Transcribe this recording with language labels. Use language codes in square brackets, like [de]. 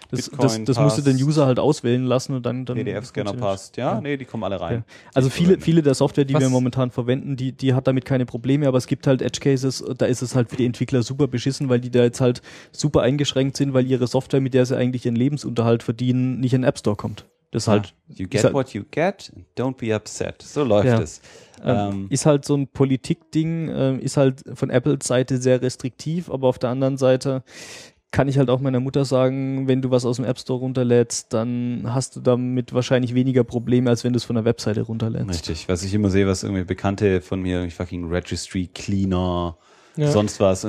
[de] Das musst du den User halt auswählen lassen und dann PDF-Scanner passt. Ja, nee, die kommen alle rein. Ja. Also viele der Software, die wir momentan verwenden, die hat damit keine Probleme, aber es gibt halt Edge-Cases, da ist es halt für die Entwickler super beschissen, weil die da jetzt halt super eingeschränkt sind, weil ihre Software, mit der sie eigentlich ihren Lebensunterhalt verdienen, nicht in den App-Store kommt. Das halt, [en] you get what you get, don't be upset. [de] So läuft es. Ist halt so ein Politikding, ist halt von Apples Seite sehr restriktiv, aber auf der anderen Seite kann ich halt auch meiner Mutter sagen, wenn du was aus dem App Store runterlädst, dann hast du damit wahrscheinlich weniger Probleme, als wenn du es von der Webseite runterlädst. Richtig, was ich immer sehe, was irgendwie Bekannte von mir, irgendwie fucking Registry Cleaner, sonst was.